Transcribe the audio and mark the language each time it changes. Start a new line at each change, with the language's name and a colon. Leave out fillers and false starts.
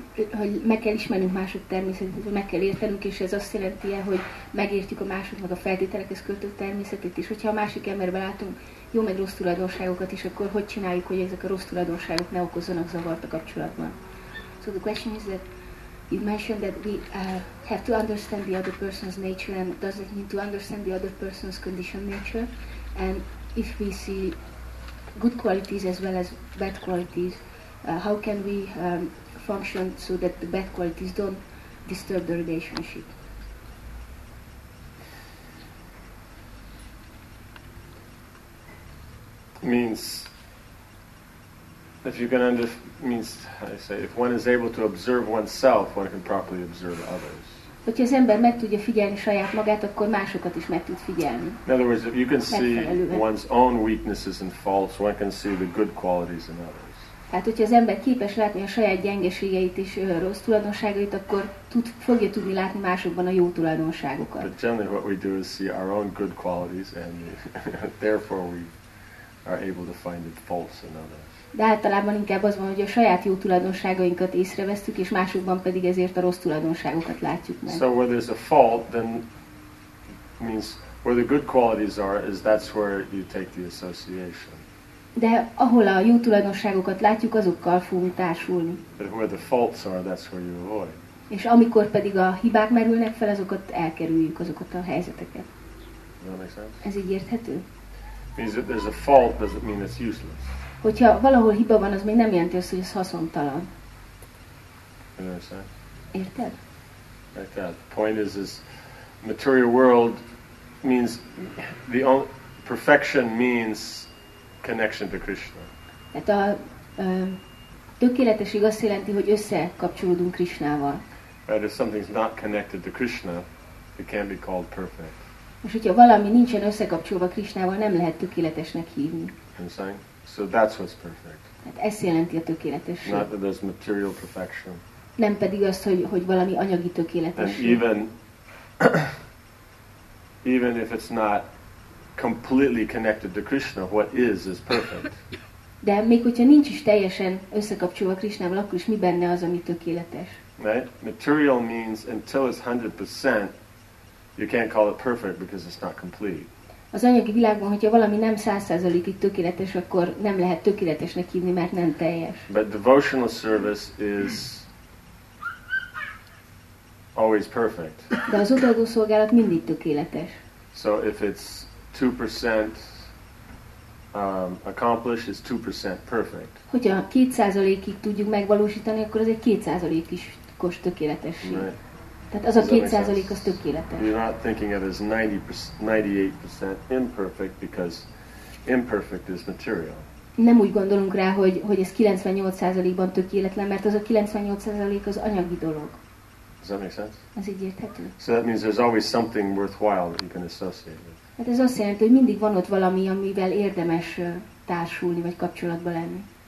Hungarian: hogy meg kell ismernünk mások természetét, meg kell értenünk, és ez azt jelenti, hogy megértjük a másoknak a feltételekhez kötött természetét is. Hogyha a másik emberben látunk jó meg rossz tulajdonságokat is, akkor hogy csináljuk, hogy ezek a rossz tulajdonságok ne okozzanak zavart a kapcsolatban?
English: So the question is that you mentioned that we have to understand the other person's nature, and does it mean to understand the other person's conditioned nature? And if we see good qualities as well as bad qualities, how can we function so that the bad qualities don't disturb the relationship? Means if you can means how do I say if one is able to observe oneself, one can properly observe others.
Hungarian: Hogyha az ember meg tudja figyelni saját magát, akkor másokat is meg tud figyelni.
English: In other words, if you can see one's own weaknesses and faults, one can see the good qualities in others.
Hungarian: Hát, hogyha az ember képes látni a saját gyengeségeit és rossz tulajdonságait, akkor fogja tudni látni másokban a jó tulajdonságokat.
English: But generally what we do is see our own good qualities and therefore we are able to find the faults in others.
Hungarian: De általában inkább az van, hogy a saját jó tulajdonságainkat észrevesztük, és másokban pedig ezért a rossz tulajdonságokat látjuk meg.
English: So where there's a fault, then means where the good qualities are, is that's where you take the association.
Hungarian: De ahol a jó tulajdonságokat látjuk, azokkal fogunk társulni.
English: But where the faults are, that's where you avoid. És amikor pedig a hibák merülnek fel, azokat elkerüljük, azokat a helyzeteket.
Hungarian: Ez így érthető?
English: Means if there's a fault, does it mean it's useless?
Hungarian: Hogyha valahol hiba van, az még nem jelenti azt, hogy ez haszontalan. Érted?
English: Like that. Point is, this material world means the only perfection means connection to Krishna.
Hungarian: Tehát a tökéletesség azt jelenti, hogy összekapcsolódunk Krishnával.
English: Right, if something's not connected to Krishna, it can't be called perfect.
Hungarian: És hogyha valami nincsen összekapcsolva Krishnával, nem lehet tökéletesnek hívni.
English: Understand? So that's what's perfect.
Hungarian: Hát ez jelenti a tökéletesség.
English: Not that there's material perfection.
Hungarian: Nem pedig az, hogy valami anyagi tökéletesség.
English: And even if it's not completely connected to Krishna, what is perfect.
Hungarian: De még hogyha nincs is teljesen összekapcsolva Krishnával, akkor is mi benne az, ami tökéletes?
English: Right? Material means until it's 100%, you can't call it perfect because it's not complete.
Hungarian: Az anyagi világban, hogyha valami nem 100%-ig tökéletes, akkor nem lehet tökéletesnek hívni, mert nem teljes.
English: But devotional service is always perfect.
Hungarian: De az odaadó szolgálat mindig tökéletes.
English: So if it's 2% accomplished, it's 2% perfect.
Hungarian: Hogyha 2%-ig tudjuk megvalósítani, akkor az egy 2%-os tökéletesség.
English: Right.
Hungarian: Tehát az a 2% az tökéletes.
English: You're not thinking of it as 98% imperfect because imperfect is material.
Hungarian: Nem úgy gondolunk rá, hogy ez 98%-ban tökéletlen, mert az a 98% az anyagi dolog.
English: Does that make sense?
Hungarian: Ez így érthető.
English: So that means there's always something worthwhile that you can associate with.
Hungarian: Hát ez azt jelenti, hogy mindig van ott valami, amivel érdemes társulni vagy kapcsolatba lenni.